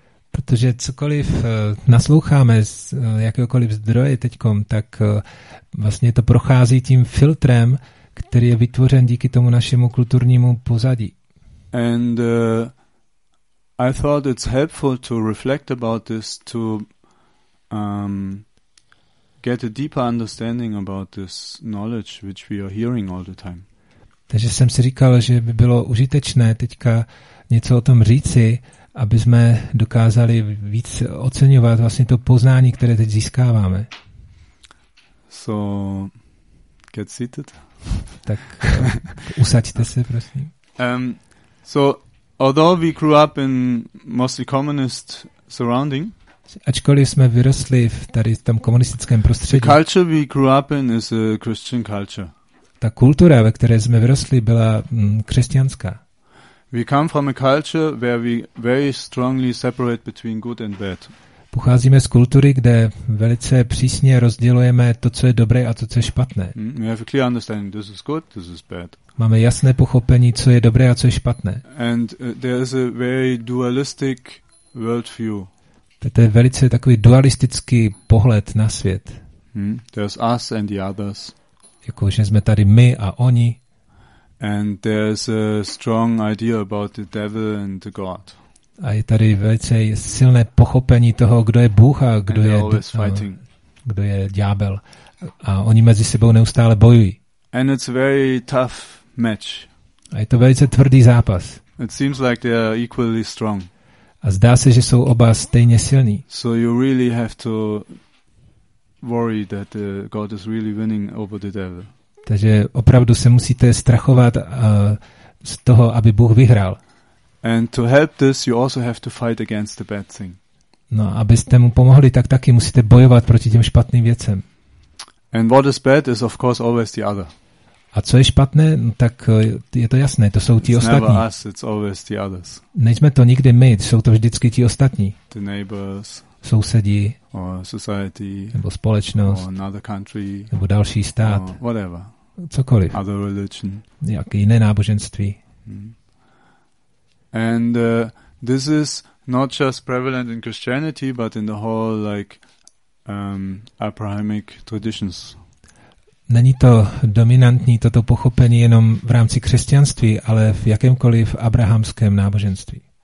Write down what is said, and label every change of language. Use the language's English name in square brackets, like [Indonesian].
[Czech] Protože cokoliv nasloucháme z jakéhokoliv zdroje teďkom, tak vlastně to prochází tím filtrem, který je vytvořen díky tomu našemu kulturnímu pozadí. [English] And I thought it's helpful to reflect about this, to get a deeper understanding about this knowledge which we are hearing all the time. [Czech] Takže jsem si říkal, že by bylo užitečné teďka něco o tom říci, aby jsme dokázali víc oceňovat vlastně to poznání, které teď získáváme. [English] So, get seated. [Czech] Tak usaďte se, prosím. [English] So, although we grew up in mostly communist surrounding, [Czech] ačkoliv jsme vyrostli v tady v tom komunistickém prostředí, [English] the culture we grew up in is a Christian culture. [Czech] Ta kultura, ve které jsme vyrostli, byla křesťanská. [English] We come from a culture where we very strongly separate between good and bad. [Czech] Pocházíme z kultury, kde velice přísně rozdělujeme to, co je dobré a to, co je špatné. [English] We have a clear understanding, this is good, this is bad. [Czech] Máme jasné pochopení, co je dobré a co je špatné. [English] And there is a very dualistic worldview. [Czech] To je velice takový dualistický pohled na svět. [English] There's us and the others. [Czech] Jako, že jsme tady my a oni. [English] And there's a strong idea about the devil and the god. [Czech] A je tady velice silné pochopení toho, kdo je Bůh a kdo je kdo je ďábel. A oni mezi sebou neustále bojují. [English] And it's very tough match. [Czech] A je to velice tvrdý zápas. [English] It seems like they are equally strong. [Czech] A zdá se, že jsou oba stejně silní. [English] So you really have to worry that the god is really winning over the devil. [Czech] Takže opravdu se musíte strachovat z toho, aby Bůh vyhrál. [English] And to help this, you also have to fight against the bad thing. [Czech] No, abyste mu pomohli, tak taky musíte bojovat proti těm špatným věcem. [English] And what is bad is of course always the other. [Czech] A co je špatné, no, tak je to jasné, to jsou ti [English] it's [Czech] ostatní. [English] Never us, it's always the others. [Czech] Nejsme to nikdy my, jsou to vždycky ti ostatní. [English] The neighbors. [Czech] sousedi, [English] or society, [Czech] nebo společnost, [English] or another country, [Czech] nebo další stát, [English] or whatever, [Czech] cokoliv, [English] other religion, [Czech] nějaké jiné náboženství. [English] And this is not just prevalent in Christianity, but in the whole like Abrahamic traditions. [Czech] Není to dominantní toto pochopení jenom v rámci křesťanství, ale v jakémkoliv abrahamském náboženství.